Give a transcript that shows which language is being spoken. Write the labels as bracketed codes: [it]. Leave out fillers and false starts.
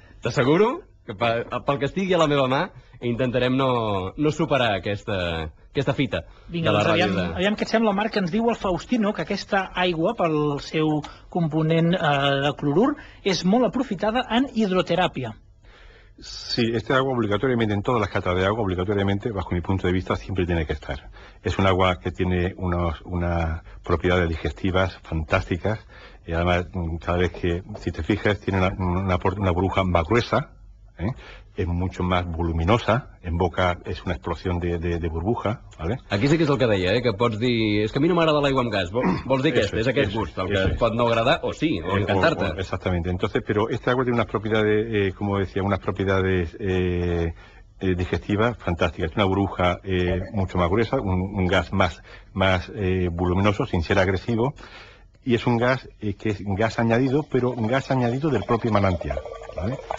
[ca] t'asseguro que pel que estigui a la meva mà intentarem no superar aquesta fita. Vinga, doncs, aviam què et sembla, Marc, que ens diu el Faustino que aquesta aigua, pel seu component de clorur, és molt aprofitada en hidroteràpia. [es] Sí, este agua obligatoriamente, en todas las catas de agua, obligatoriamente, bajo mi punto de vista, siempre tiene que estar. Es un agua que tiene unas propiedades digestivas fantásticas, y además, cada vez que, si te fijas, tiene una burbuja más gruesa, es mucho más voluminosa, en boca es una explosión de burbuja, ¿vale? [ca] Aquí sí que es el que deia, que pots dir, es que a mí no m'agrada l'aigua amb gas, vols dir que és aquest gust, el que es pot no agradar, o sí, o encantar-te. [es] Exactamente, entonces, pero este agua tiene unas propiedades, como decía, unas propiedades digestivas fantásticas, es una burbuja mucho más gruesa, un gas más voluminoso, sin ser agresivo, y es un gas que es gas añadido, pero un gas añadido del propio manantial, ¿vale?